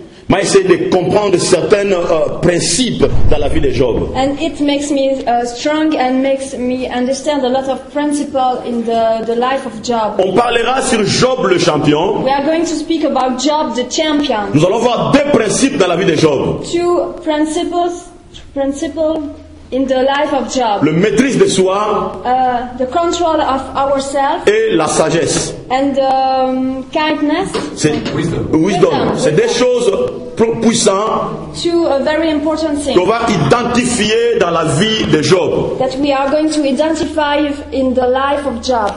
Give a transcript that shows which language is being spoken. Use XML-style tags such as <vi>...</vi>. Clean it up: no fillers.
<fr>M'a essayé de comprendre certains principes dans la vie de Job.</fr> <en>And it makes me strong and makes me understand a lot of principles in the life of Job.</en> <fr>On parlera sur Job le champion.</fr> <en>We are going to speak about Job the champion.</en> <fr>Nous allons voir deux principes dans la vie de Job.</fr> <en>Two principles in the life of Job.</en> <fr>Le maîtrise de soi.</fr> <en>The control of ourselves.</en> <fr>Et la sagesse.</fr> <en>And kindness.</en> <fr>C'est</fr> <en>wisdom.</en> <fr>C'est des choses puissantes.</fr> <en>Two very important things.</en> <fr>Qu'on va identifier dans la vie de Job.</fr> <en>That we are going to identify in the life of Job.</en>